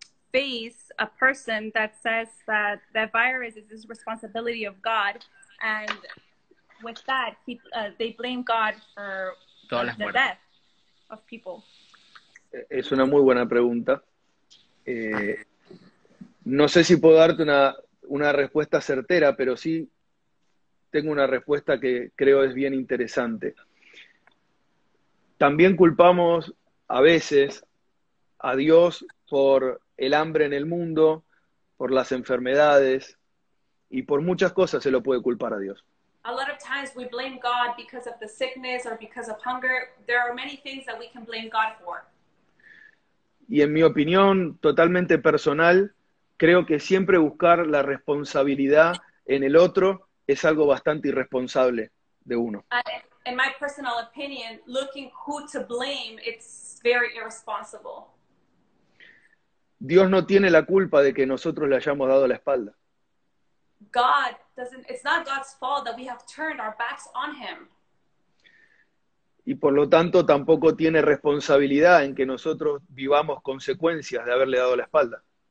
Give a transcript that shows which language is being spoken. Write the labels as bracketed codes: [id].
[en] face a person that says that virus is his responsibility of God, and with that they blame God for the death of people? [es] Es una muy buena pregunta. No sé si puedo darte una respuesta certera, pero sí tengo una respuesta que creo es bien interesante. También culpamos a veces a Dios por el hambre en el mundo, por las enfermedades, y por muchas cosas se lo puede culpar a Dios. [en] A lot of times we blame God because of the sickness or because of hunger. There are many things that we can blame God for. [es] Y en mi opinión, totalmente personal, creo que siempre buscar la responsabilidad en el otro es algo bastante irresponsable de uno. [en] In my personal opinion, looking who to blame, it's very irresponsible. [es] Dios no tiene la culpa de que nosotros le hayamos dado la espalda. [en] God doesn't, it's not God's fault that we have turned our backs on him. [es] Y por lo tanto tampoco tiene responsabilidad en que nosotros vivamos consecuencias de haberle dado la espalda.